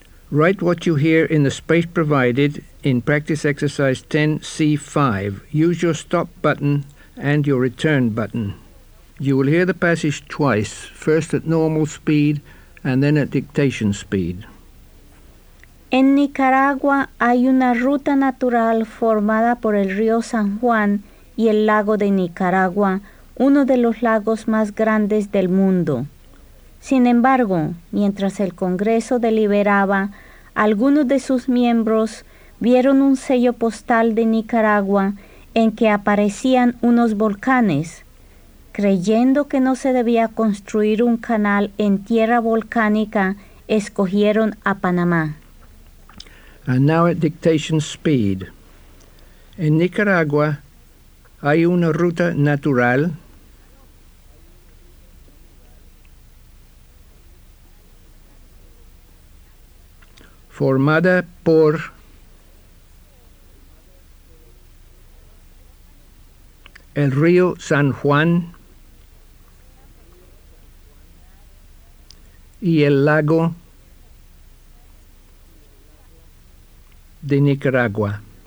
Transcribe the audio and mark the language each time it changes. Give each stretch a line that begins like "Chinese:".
English: Write what you hear in the space provided in practice exercise 10C5. Use your stop button and your return button. You will hear the passage twice, first at normal speed and then at dictation speed.
Spanish: En Nicaragua hay una ruta natural formada por el río San Juan y el lago de Nicaragua, uno de los lagos más grandes del mundo. Sin embargo, mientras el Congreso deliberaba, algunos de sus miembros vieron un sello postal de Nicaragua en que aparecían unos volcanes. Creyendo que no se debía construir un canal en tierra volcánica, escogieron a Panamá.
English: And now at dictation speed.
Spanish: En Nicaragua hay una ruta natural. Formada por el río San Juan y el lago de Nicaragua.